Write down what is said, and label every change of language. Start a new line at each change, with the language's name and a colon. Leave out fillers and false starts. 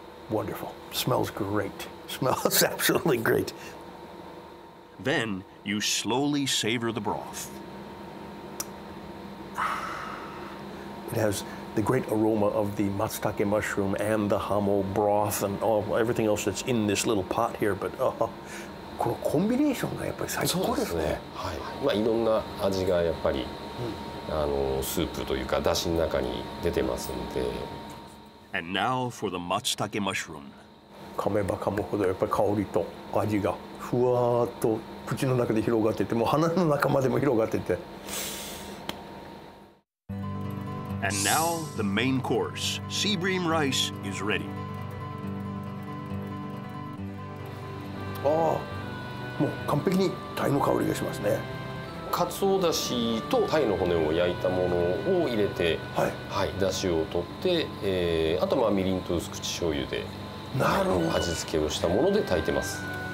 English: Wonderful. Smells great. Smells absolutely great. Then you slowly savor the broth. It has the great aroma of the matsutake mushroom and the hamo broth and all, everything else that's in this little pot here.
Japanese: But このコンビネーションがやっぱり最高ですね。そうですね。はい。まあいろんな味がやっぱり、あのスープというか出汁の中に出てますんで。
English: And now for the matsutake mushroom.
Japanese: 噛めば噛むほどやっぱり香りと味がふわーっと口の中で広がってて、もう鼻の中までも広がってて。
English: And now the main course, sea bream rice, is ready.
Japanese: ああ、もう完璧に鯛の香りがしますね。かつおだしと鯛の骨を焼いたものを入れて、はいはい、だしを取って、あとまあみりんと薄口醤油で、なるほど、味付けをしたもので炊いてます。